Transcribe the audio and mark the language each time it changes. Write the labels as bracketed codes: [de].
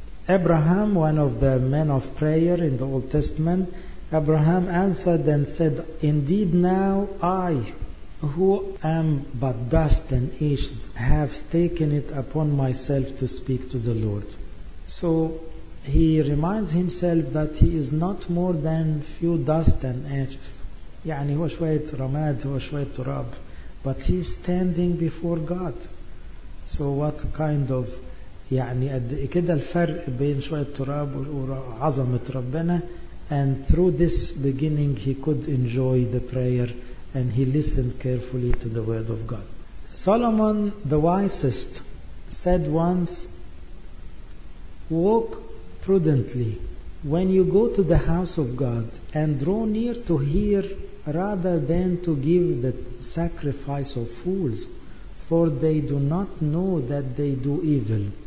[en] Abraham, one of the men of prayer in the Old Testament, Abraham answered and said, "Indeed, now I, who am but dust and ashes, have taken it upon myself to speak to the Lord." So he reminds himself that he is not more than few dust and ashes. [ar] يعني هو شوية رماد هو شوية تراب. [en] But he's standing before God. So what kind of [ar] يعني كده الفرق بين شوية تراب وعظمة ربنا. [en] And through this beginning he could enjoy the prayer and he listened carefully to the word of God. Solomon the wisest said once, "Walk prudently. When you go to the house of God and draw near to hear rather than to give the sacrifice of fools, for they do not know that they do evil.